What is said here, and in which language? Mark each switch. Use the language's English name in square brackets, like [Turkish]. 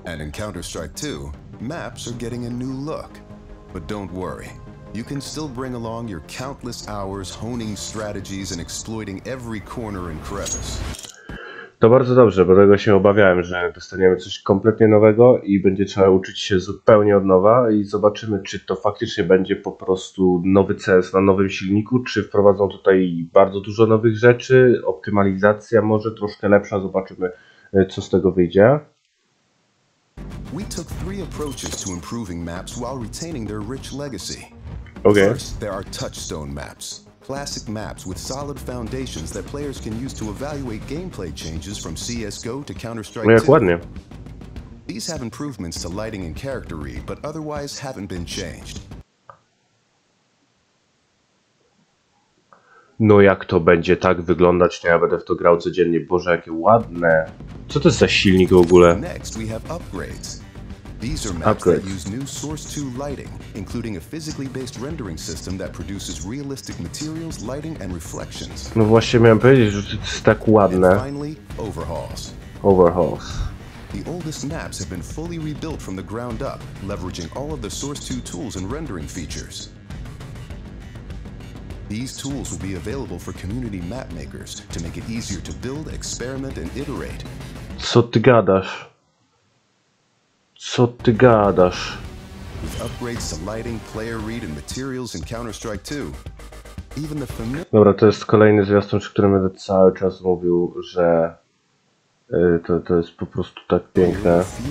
[English] And in Counter-Strike 2, maps are getting a new look. But don't worry. You can still bring along your countless hours honing strategies and exploiting every corner and crevice. [Polish] To bardzo dobrze, bo tego się obawiałem, że dostaniemy coś kompletnie nowego i będzie trzeba uczyć się zupełnie od nowa i zobaczymy, czy to faktycznie będzie po prostu nowy CS na nowym silniku, czy wprowadzą tutaj bardzo dużo nowych rzeczy, optymalizacja może troszkę lepsza, zobaczymy, co z tego wyjdzie. [English] We took three approaches to improving maps while retaining their rich legacy. Okay. First, there are touchstone maps. Classic maps with solid foundations that players can use to evaluate gameplay changes from CS:GO to Counter-Strike 2. [Polish] Ładnie. [English] These have improvements to lighting and character read, but otherwise haven't been changed. [Polish] No jak to będzie tak wyglądać, to ja będę w to grał codziennie. Boże, jakie ładne. Co to jest za silnik w ogóle? [English] Next, we have upgrades. These are maps that use new Source 2 lighting, including a physically based rendering system that produces realistic materials, lighting and reflections. [Polish] No właśnie miałem powiedzieć, że to jest tak ładne. [English] And finally, overhauls. Overhauls. The oldest maps have been fully rebuilt from the ground up, leveraging all of the Source 2 tools and rendering features. These tools will be available for community map makers to make it easier to build, experiment and iterate. [Polish] Co ty gadasz? Co ty gadasz? [English] With upgrades to lighting, player read and materials in Counter-Strike 2. Even the [Polish] Dobra, to jest kolejny zwiastun, o którym będę cały czas mówił, że to jest po prostu tak piękne.